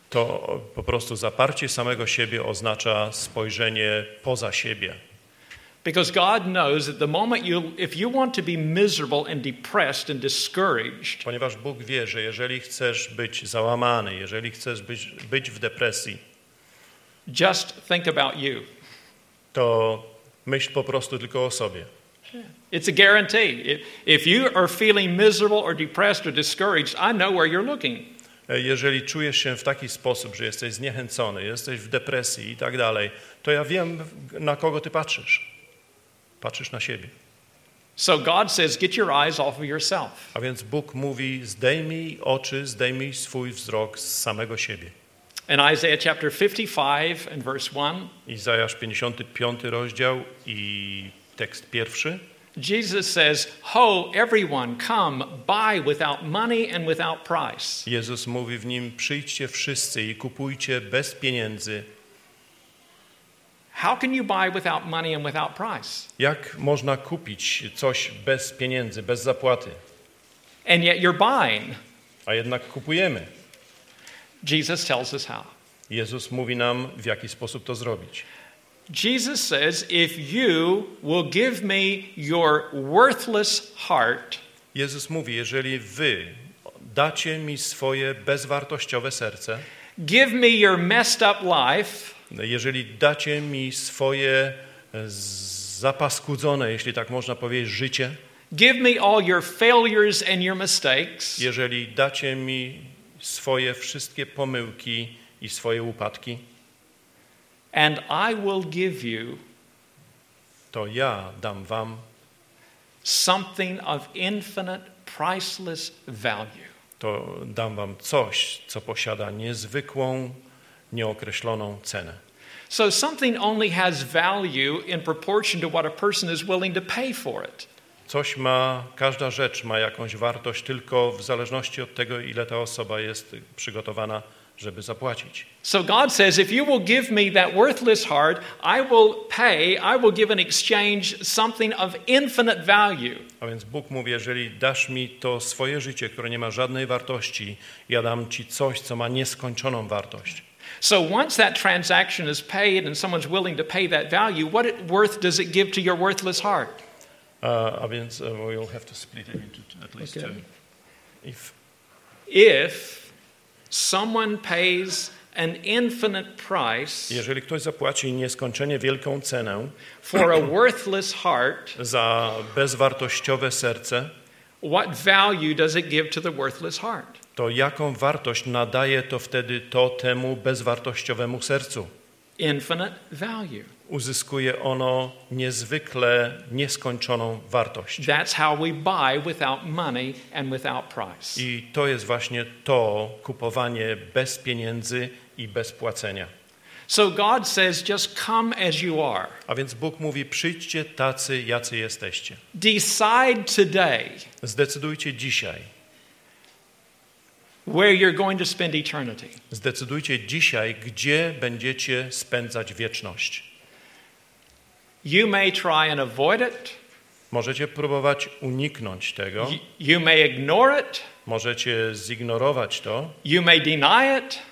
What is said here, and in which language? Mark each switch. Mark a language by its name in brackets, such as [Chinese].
[Polish] To po prostu zaparcie samego siebie oznacza spojrzenie poza siebie. [English] Because God knows that the moment you, if you want to be miserable and depressed and discouraged. [Polish] Ponieważ Bóg wie, że jeżeli chcesz być załamany, jeżeli chcesz być w depresji. [English] Just think about you. [Polish] To myśl po prostu tylko o sobie. [English] It's a guarantee. If you are feeling miserable or depressed or discouraged, I know where you're looking. [Polish] Jeżeli czujesz się w taki sposób, że jesteś zniechęcony, jesteś w depresji i tak dalej, to ja wiem, na kogo ty patrzysz. Patrzysz na siebie. [English] So God says, get your eyes off of yourself. [Polish] A więc Bóg mówi, zdejmij oczy, zdejmij swój wzrok z samego siebie. [English] In Isaiah chapter 55 and verse 1. [Polish] Izajasz 55 rozdział i tekst pierwszy. [English] Jesus says, "Ho, everyone, come buy without money and without price." [Polish] Jezus mówi w nim: "Przyjdźcie wszyscy i kupujcie bez pieniędzy." [English] How can you buy without money and without price? [Polish] Jak można kupić coś bez pieniędzy, bez zapłaty? [English] And yet you're buying. [Polish] A jednak kupujemy. [English] Jesus tells us how. [Polish] Jezus mówi nam, w jaki sposób to zrobić. [English] Jesus says, if you will give me your worthless heart. [Polish] Jezus mówi, jeżeli wy dacie mi swoje bezwartościowe serce. [English] Give me your messed up life. [Polish] Jeżeli dacie mi swoje zapaskudzone, jeśli tak można powiedzieć, życie. [English] Give me all your failures and your mistakes. [Polish] Jeżeli dacie mi swoje wszystkie pomyłki i swoje upadki. [English] And I will give you, [Polish] to ja dam wam [English] something of infinite, priceless value. [Polish] To dam wam coś, co posiada niezwykłą, nieokreśloną cenę. [English] So something only has value in proportion to what a person is willing to pay for it. [Polish] Coś ma, każda rzecz ma jakąś wartość tylko w zależności od tego, ile ta osoba jest przygotowana, żeby zapłacić. [English] So God says, if you will give me that worthless heart, I will pay, I will give in exchange something of infinite value. [Polish] A więc Bóg mówi, jeżeli dasz mi to swoje życie, które nie ma żadnej wartości, ja dam ci coś, co ma nieskończoną wartość. [English] So once that transaction is paid and someone's willing to pay that value, what worth does it give to your worthless heart? We'll have to split it into at least two. If someone pays an infinite price, [Polish] jeżeli ktoś zapłaci nieskończenie wielką cenę, [English] for a worthless heart, [Polish] za bezwartościowe serce, [English] what value does it give to the worthless heart? [Polish] To jaką wartość nadaje to wtedy to temu bezwartościowemu sercu? [English] Infinite value. [Polish] Uzyskuje ono niezwykle nieskończoną wartość. [English] That's how we buy without money and without price. [Polish] I to jest właśnie to kupowanie bez pieniędzy i bez płacenia. [English] So God says, just come as you are. [Polish] A więc Bóg mówi, przyjdźcie tacy, jacy jesteście. [English] Decide today. [Polish] Zdecydujcie dzisiaj. [English] where you're going to spend eternity. [Polish] Zdecydujcie dzisiaj, gdzie będziecie spędzać wieczność. [English] You may try and avoid it. [Polish] Możecie próbować uniknąć tego. [English] You may ignore it. [Polish] Możecie zignorować to. [English] You may deny it.